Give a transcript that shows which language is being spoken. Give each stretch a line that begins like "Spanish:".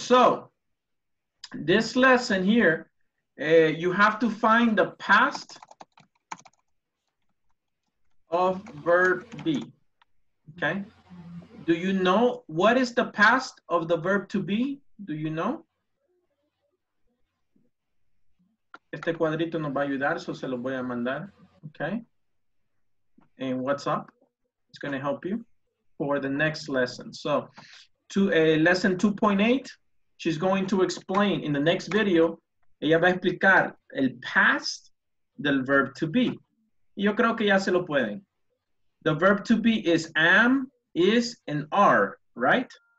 English: So this lesson here, you have to find the past of verb be, okay? Do you know what is the past of the verb to be? Do you know?
Spanish: Este cuadrito nos va a ayudar, so se lo voy a mandar, okay?
English: And what's up? It's gonna help you for the next lesson. So, lesson 2.8, She's going to explain in the next video,
Spanish: ella va a explicar el past del verb to be. Yo creo que ya se lo pueden.
English: The verb to be is am, is, and are, right?